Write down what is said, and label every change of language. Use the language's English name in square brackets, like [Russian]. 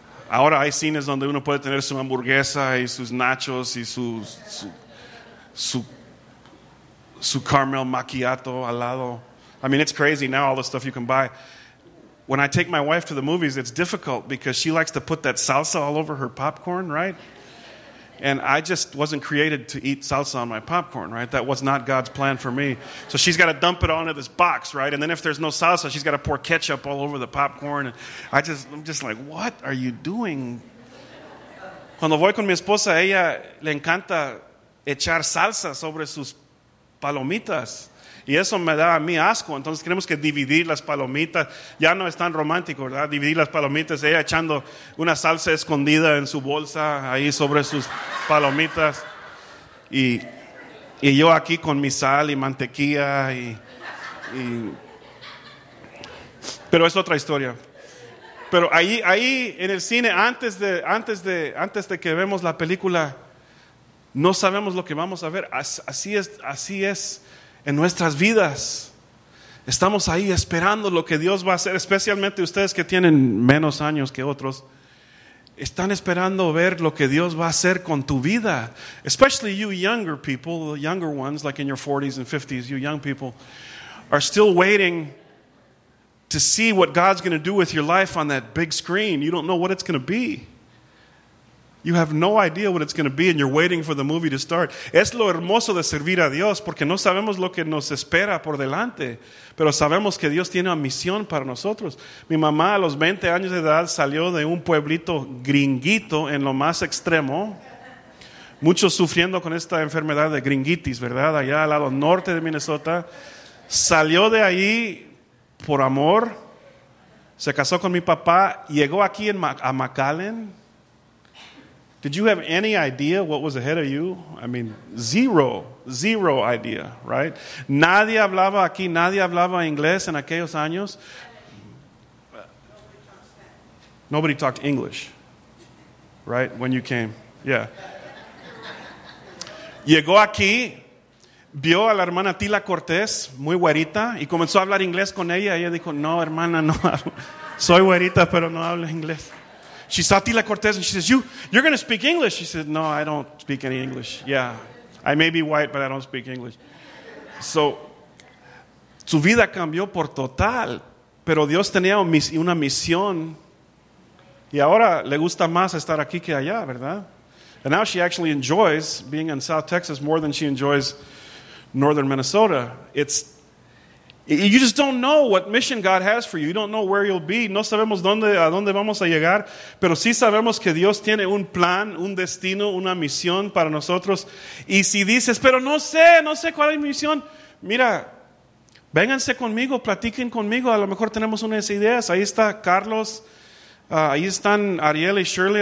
[Spanish] Ahora hay cines donde uno puede tener su hamburguesa, y sus nachos, y su caramel macchiato al lado. [English] I mean, it's crazy now, all the stuff you can buy. When I take my wife to the movies, it's difficult because she likes to put that salsa all over her popcorn, right? And I just wasn't created to eat salsa on my popcorn, right? That was not God's plan for me. So she's got to dump it all into this box, right? And then if there's no salsa, she's got to pour ketchup all over the popcorn. And I'm just like, what are you doing? [Spanish] Cuando voy con mi esposa, ella le encanta echar salsa sobre sus palomitas. Y eso me da a mí asco. Entonces tenemos que dividir las palomitas. Ya no es tan romántico, ¿verdad? Dividir las palomitas. Ella echando una salsa escondida en su bolsa, ahí sobre sus palomitas. Y yo aquí con mi sal y mantequilla. Pero es otra historia. Pero ahí en el cine, antes de que vemos la película, no sabemos lo que vamos a ver. Así es. En nuestras vidas, estamos ahí esperando lo que Dios va a hacer, especialmente ustedes que tienen menos años que otros. Están esperando ver lo que Dios va a hacer con tu vida. [English] Especially you younger people, the younger ones, like in your 40s and 50s, you young people, are still waiting to see what God's going to do with your life on that big screen. You don't know what it's going to be. You have no idea what it's going to be, and you're waiting for the movie to start. [Spanish] Es lo hermoso de servir a Dios, porque no sabemos lo que nos espera por delante, pero sabemos que Dios tiene una misión para nosotros. Mi mamá, a los 20 años de edad, salió de un pueblito gringuito en lo más extremo, muchos sufriendo con esta enfermedad de gringuitis, ¿verdad? Allá al lado norte de Minnesota. Salió de ahí por amor, se casó con mi papá, llegó aquí a McAllen. [English] Did you have any idea what was ahead of you? I mean, zero idea, right? [Spanish] Nadie hablaba aquí, nadie hablaba inglés en aquellos años. [English] Nobody talked English, right, when you came, yeah. [Spanish] Llegó aquí, vio a la hermana Tila Cortés, muy güerita, y comenzó a hablar inglés con ella. Ella dijo, no, hermana, no, soy güerita, pero no hablo inglés. [English] She saw Tila Cortez and she says, you're going to speak English. She said, no, I don't speak any English. Yeah, I may be white, but I don't speak English. [Spanish] So, su vida cambió por total, pero Dios tenía una misión. Y ahora le gusta más estar aquí que allá, ¿verdad? [English] And now she actually enjoys being in South Texas more than she enjoys northern Minnesota. You just don't know what mission God has for you. You don't know where you'll be. [Spanish] No sabemos a dónde vamos a llegar. Pero sí sabemos que Dios tiene un plan, un destino, una misión para nosotros. Y si dices, pero no sé cuál es mi misión. Mira, vénganse conmigo, platiquen conmigo. A lo mejor tenemos unas ideas. Ahí está Carlos. Ahí están Ariel y Shirley.